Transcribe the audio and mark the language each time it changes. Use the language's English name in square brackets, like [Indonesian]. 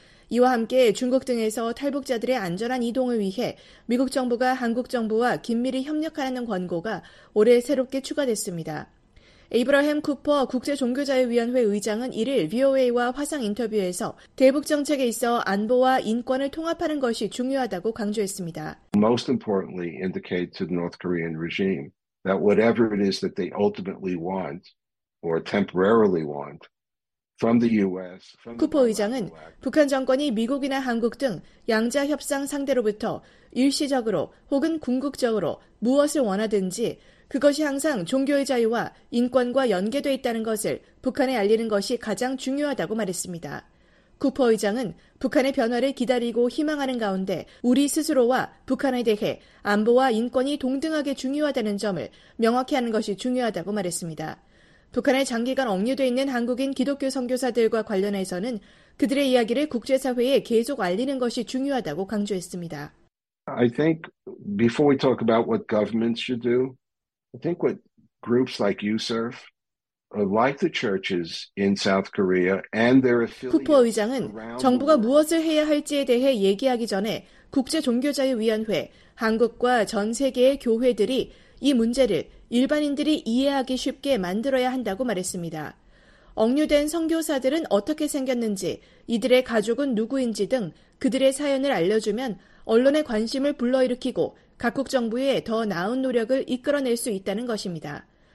[Korean] 이와 함께 중국 등에서 탈북자들의 안전한 이동을 위해 미국 정부가 한국 정부와 긴밀히 협력하라는 권고가 올해 새롭게 추가됐습니다. 에이브라햄 쿠퍼 국제종교자유위원회 의장은 이를 VOA와 화상 인터뷰에서 대북 정책에 있어 안보와 인권을 통합하는 것이 중요하다고 강조했습니다. [English] Most importantly, indicate to the North Korean regime that whatever it is that they ultimately want or temporarily want from the US, from the [Korean] 쿠퍼 의장은 북한 정권이 미국이나 한국 등 양자협상 상대로부터 일시적으로 혹은 궁극적으로 무엇을 원하든지 그것이 항상 종교의 자유와 인권과 연계돼 있다는 것을 북한에 알리는 것이 가장 중요하다고 말했습니다. 쿠퍼 의장은 북한의 변화를 기다리고 희망하는 가운데 우리 스스로와 북한에 대해 안보와 인권이 동등하게 중요하다는 점을 명확히 하는 것이 중요하다고 말했습니다. 북한에 장기간 억류돼 있는 한국인 기독교 선교사들과 관련해서는 그들의 이야기를 국제사회에 계속 알리는 것이 중요하다고 강조했습니다. [English] I think before we talk about what governments should do, I think what groups like YouServe, like the churches in South Korea and their affiliates. [Korean] 쿠퍼 의장은 정부가 무엇을 해야 할지에 대해 얘기하기 전에 국제종교자유위원회, 한국과 전 세계의 교회들이 이 문제를 일반인들이 이해하기 쉽게 만들어야 한다고 말했습니다. 억류된 선교사들은 어떻게 생겼는지, 이들의 가족은 누구인지 등 그들의 사연을 알려주면 언론의 관심을 불러일으키고 각국 정부의 더 나은 노력을 이끌어낼 수 있다는 것입니다.